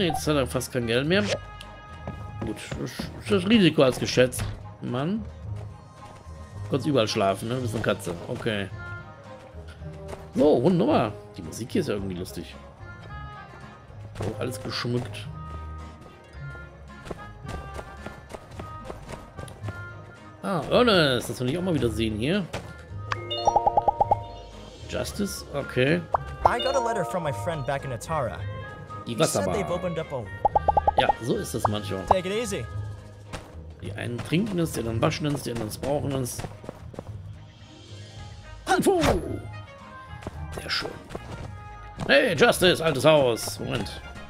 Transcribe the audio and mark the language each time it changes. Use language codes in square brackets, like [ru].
[de] Jetzt hat er fast kein Geld mehr. Gut, das Risiko als geschätzt. Mann. Du kannst überall schlafen, ne? Du bist eine Katze. Okay. So, wunderbar. Die Musik hier ist ja irgendwie lustig. So, alles geschmückt. Ah, Ernest, das will ich auch mal wieder sehen hier. Justice, okay. [en] I got a letter from my friend back in Atara. [de] Die Wasserbar. Ja, so ist das manchmal. [en] Take it easy. [de] Die einen trinken es, die anderen waschen es, die anderen brauchen es. Hanfu! Sehr schön. Hey, Justice, altes Haus. Moment.